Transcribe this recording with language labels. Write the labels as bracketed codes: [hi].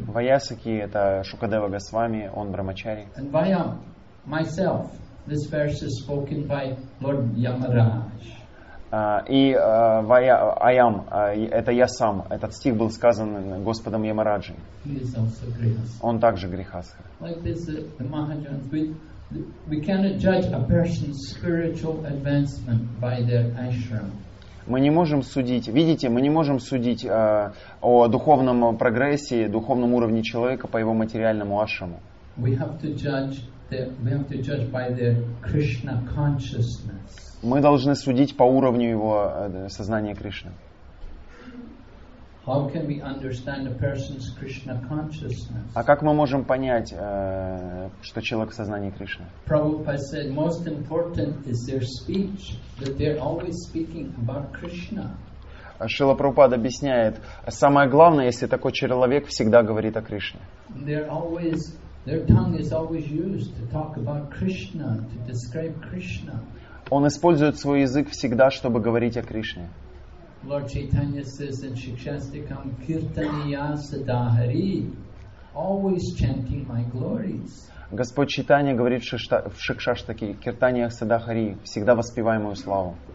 [ru] Ваясаки это Шукадева Госвами, он брахмачари. [en] And Vaya, myself. This verse is spoken by Lord Yamaraj. [ru] Это я сам. Этот стих был сказан Господом Ямараджи. [en] He is also grihastha. [ru] Он также грихастха. [en] Like this, the Mahajans, we cannot judge a person's spiritual advancement by their ashram. [ru] Мы не можем судить, видите, мы не можем судить о духовном прогрессе, духовном уровне человека по его материальному ашраму. [en] We have to judge. We have to judge by their Krishna consciousness. [ru] Мы должны судить по уровню его сознания Кришны. [en] How can we understand a person's Krishna consciousness? [ru] А как мы можем понять, что человек в сознании Кришны? [en] Prabhupada said, most important is their speech, that they're always speaking about Krishna. [ru] Шрила Прабхупада объясняет, самое главное, если такой человек всегда говорит о Кришне. [en] They're always Their tongue is always used to talk about Krishna, to describe Krishna. [ru] Он использует свой язык всегда, чтобы говорить о Кришне. [en] Lord Chaitanya says in Shikshastikam, Kirtaniya Sadahari, always chanting my glories. [ru] Господь Чайтанья говорит в Шикшаштаке, Киртаниях Садахари, всегда воспевай мою славу.